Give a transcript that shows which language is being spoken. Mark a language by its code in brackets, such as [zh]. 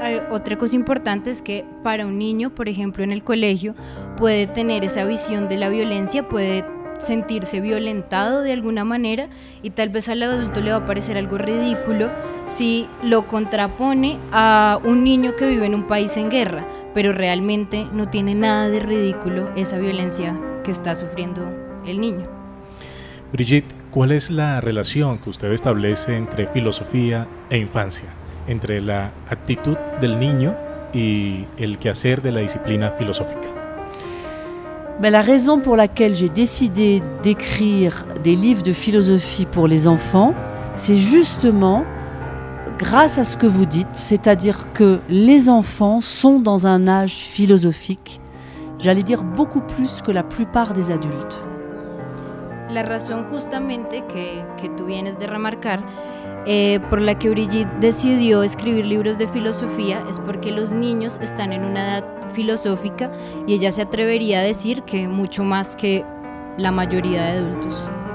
[es] Otra cosa importante es que para un niño, por ejemplo, en el colegio, puede tener esa visión de la violencia, puede sentirse violentado de alguna manera y tal vez al adulto le va a parecer algo ridículo si lo contrapone a un niño que vive en un país en guerra, pero realmente no tiene nada de ridículo esa violencia que está sufriendo el niño. Brigitte, ¿cuál es la relación que usted establece entre filosofía e infancia, entre la actitud del niño y el quehacer de la disciplina filosófica? [fr] Mais la raison pour laquelle j'ai décidé d'écrire des livres de philosophie pour les enfants, c'est justement grâce à ce que vous dites, c'est-à-dire que les enfants sont dans un âge philosophique, j'allais dire beaucoup plus que la plupart des adultes. [es] La raison justamente que tú vienes de remarcar por la que Brigitte decidió escribir libros de filosofía es porque los niños están en una edad filosófica y ella se atrevería a decir que mucho más que la mayoría de adultos.